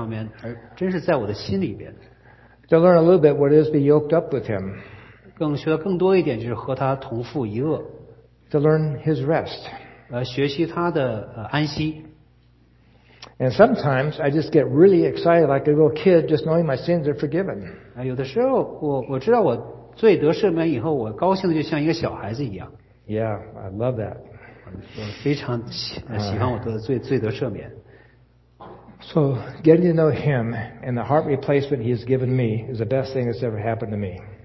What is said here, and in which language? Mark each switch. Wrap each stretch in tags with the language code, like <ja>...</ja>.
<zh>不仅是在一些正确的教导上面，而真是在我的心里边。</zh> <en>To learn a little bit what it is to be yoked up with him.</en> <zh>更学更多一点就是和他同父一轭。</zh> <en>To learn his rest.</en> <zh>学习他的安息。</zh> <en>And sometimes I just get really excited like a little kid just knowing my sins are forgiven.</en> <zh>有的时候我知道我罪得赦免以后，我高兴的就像一个小孩子一样。</zh> <en>Yeah, I love that.</en> <zh>我非常喜欢我的罪得赦免。</zh> <en>So getting to know him and the heart replacement he has given me is the best thing that's ever happened to me.</en>